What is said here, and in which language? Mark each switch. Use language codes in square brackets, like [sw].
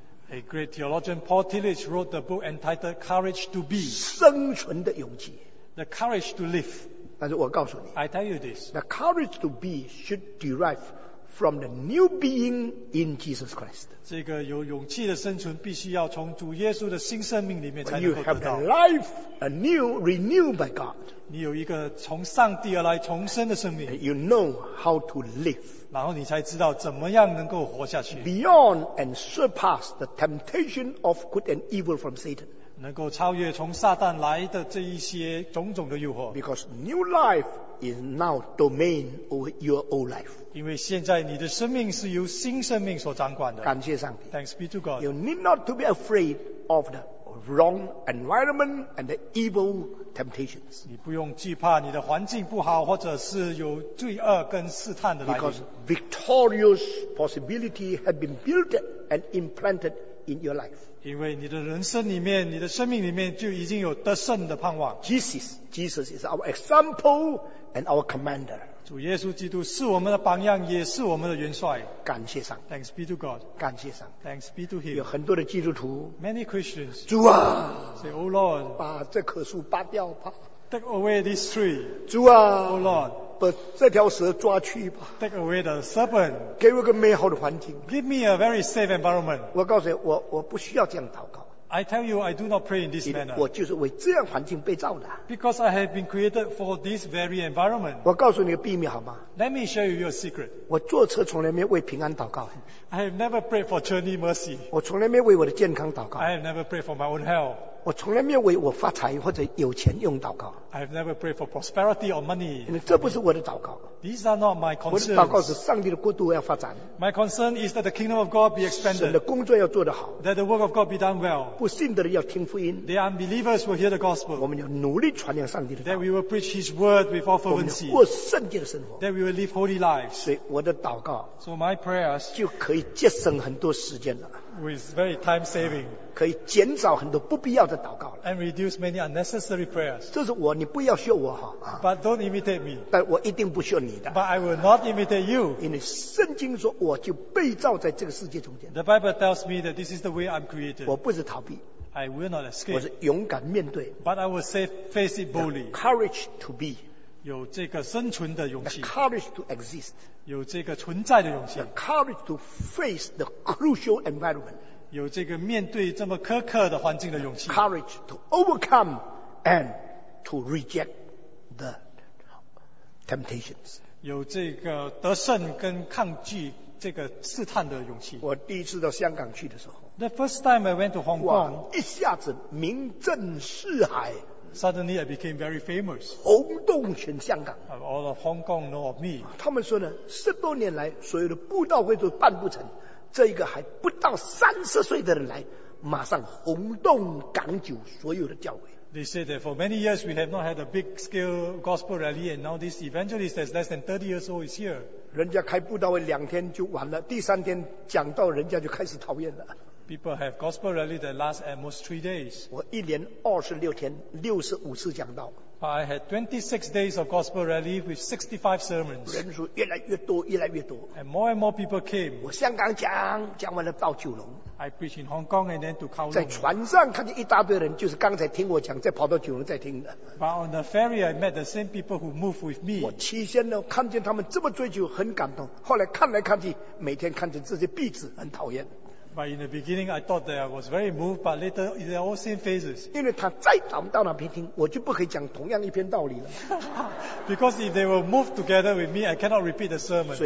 [en] A great theologian Paul Tillich wrote the book entitled Courage to Be. [zh] 生存的勇气。 [en] The courage to live. [zh] 但是我告诉你 [en] I tell you this, The courage to be should derive from the new being in Jesus Christ [zh] 这个有勇气的生存必须要从主耶稣的新生命里面才能够得到 [en] You have the life anew, renewed by God [zh] 你有一个从上帝而来重生的生命 [en] You know how to live [zh] 然后你才知道怎么样能够活下去 [en] Beyond and surpass the temptation of good and evil from Satan [zh] 能够超越从撒旦来的这一些种种的诱惑 [en] Because new life is now domain over your old life [zh] 因为现在你的生命是由新生命所掌管的感谢上帝 [en] Thanks be to God You need not to be afraid of the wrong environment and the evil temptations [zh] 你不用惧怕你的环境不好或者是有罪恶跟试探的来临 [en] Because victorious possibility have been built and implanted in your life [zh] 因为你的人生里面你的生命里面就已经有得胜的盼望 [en] Jesus is our example and our commander [zh] 主耶稣基督是我们的榜样也是我们的元帅感谢上 [en] Thanks be to God [zh] 感谢上 [en] Thanks be to him [zh] 有很多的基督徒 [en] Many Christians [zh] 主啊 [en] Say Oh Lord [zh] 把这棵树拔掉吧 [en] Take away this tree [zh] 主啊 [en] Oh Lord [zh] 把这条蛇抓去吧 [en] Take away the serpent [zh] 给我个美好的环境 [en] Give me a very safe environment [zh] 我告诉你 我不需要这样祷告 [en] I tell you I do not pray in this manner [zh] 我就是为这样环境被造的 [en] Because I have been created for this very environment [zh] 我告诉你个秘密好吗 [en] Let me show you your secret [zh] 我坐车从来没为平安祷告 [en] I have never prayed for journey mercy [zh] 我从来没为我的健康祷告 [en] I have never prayed for my own health [zh] 我从来没有为我发财或者有钱用祷告。 [en] I've never prayed for prosperity or money. [zh] 这不是我的祷告。 [en] These are not my concerns. [zh] 我的祷告是上帝的国度要发展。 [en] My concern is that the kingdom of God be expanded. [zh] 神的工作要做得好。 [en] That the work of God be done well. [zh] 不信的人要听福音。 [en] The unbelievers will hear the gospel. [zh] 我们要努力传扬上帝的道。 [en] That we will preach His word with all fervency. [zh] 我们要过圣洁的生活。 [en] That we will live holy lives. [zh] 所以我的祷告。 [en] So my prayers. [zh] 就可以节省很多时间了。 [en] With very time saving, [zh] 可以减少很多不必要的祷告了。 [en] And reduce many unnecessary prayers. [zh] 这是我，你不要学我哈。 [en] But don't imitate me. [zh] 但我一定不学你的。 [en] But I will not imitate you. [zh] 因为圣经说，我就被造在这个世界中间。 [en] The Bible tells me that this is the way I'm created. [zh] 我不是逃避。 [en] I will not escape. [zh] 我是勇敢面对。 [en] But I will say, face it boldly. Courage to be. [zh] 有这个生存的勇气。 [en] The courage to exist. [zh] 有这个存在的勇气。 [en] The courage to face the crucial environment. [zh] 有这个面对这么苛刻的环境的勇气。 [en] The courage to overcome and to reject the temptations. [zh] 有这个得胜跟抗拒这个试探的勇气。我第一次到香港去的时候。 [en] The first time I went to Hong Kong. [zh] 一下子名震四海。 [en] Suddenly, I became very famous. [zh] 轰动全香港。 [en] All of Hong Kong know of me. [zh] 他们说呢，十多年来所有的布道会都办不成，这一个还不到三十岁的人来，马上轰动港九所有的教会。 [en] They said that for many years we have not had a big scale gospel rally, and now this evangelist that's less than 30 years old is here. [zh] 人家开布道会两天就完了，第三天讲到人家就开始讨厌了。 [en] People have gospel rally that lasts at most 3 days. [zh] 我一连26天，65次讲道。 [en] I had 26 days of gospel rally with 65 sermons. [zh] 人数越来越多，越来越多。 [en] And more people came. [zh] 我香港讲，讲完了到九龙。 [en] I preach in Hong Kong and then to Kowloon. [zh] 在船上看见一大堆人，就是刚才听我讲，再跑到九龙再听的。 [en] But on the ferry, I met the same people who moved with me. [zh] 我起先呢，看见他们这么追求，很感动。后来看去，每天看见这些壁纸，很讨厌。 [en] But in the beginning, I thought that I was very moved, but later, they are all same phases. [zh] 因为他再讲到那边听，我就不可以讲同样一篇道理了。 [en] Because if they were moved together with me, I cannot repeat the sermon.